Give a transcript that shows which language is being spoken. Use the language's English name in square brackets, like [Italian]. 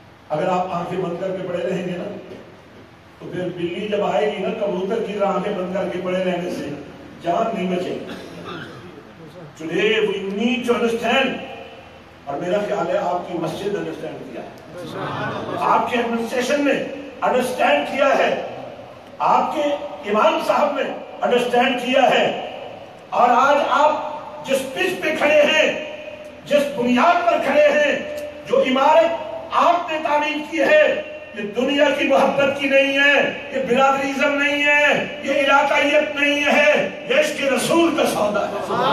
[Urdu] اگر آپ آنکھیں بند کر کے پڑے رہیں گے نا تو پھر بلی جب آئے گی نا کبوتر کی طرح آنکھیں بند کر کے پڑے رہنے سے جان نہیں بچے. [English] Today we need to understand. [Urdu] اور میرا خیال ہے آپ کی مسجد انڈرسٹینڈ کیا ہے، آپ کے ایڈمنسٹریشن نے انڈرسٹینڈ کیا ہے، آپ کے امام صاحب نے انڈرسٹینڈ کیا ہے، اور آج آپ جس پچ پہ کھڑے ہیں، جس بنیاد پر کھڑے ہیں، جو عمارت آپ نے تعمیر کی ہے، یہ دنیا کی محبت کی نہیں ہے، یہ برادریزم نہیں ہے، یہ علاقائیت نہیں ہے، یہ عشق رسول کا سودا ہے.